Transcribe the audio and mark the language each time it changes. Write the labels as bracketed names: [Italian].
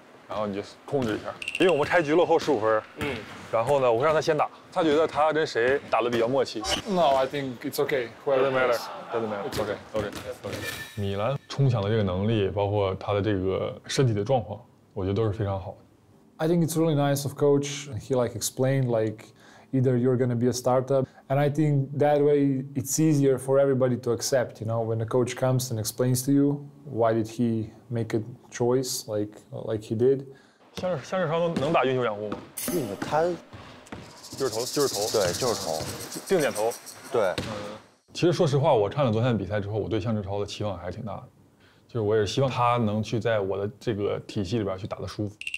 [Chinese] 然后你就控制一下，因为我们开局落后15分，然后呢，我会让他先打，他觉得他跟谁打得比较默契。 [English] No, I think it's okay. Doesn't matter. It's okay. [Chinese] 米兰冲抢的这个能力，包括他的这个身体的状况，我觉得都是非常好的。 [English] I think it's really nice of coach. He like explained like either you're gonna be a startup, and I think that way it's easier for everybody to accept. You know, when the coach comes and explains to you why did he make a choice like he did. [Chinese] 向日超能打运球掩护吗？运球他就是投，对，就是投，定点投，对。其实说实话，我看了昨天的比赛之后，我对向日超的期望还是挺大的，就是我也是希望他能去在我的这个体系里边去打得舒服。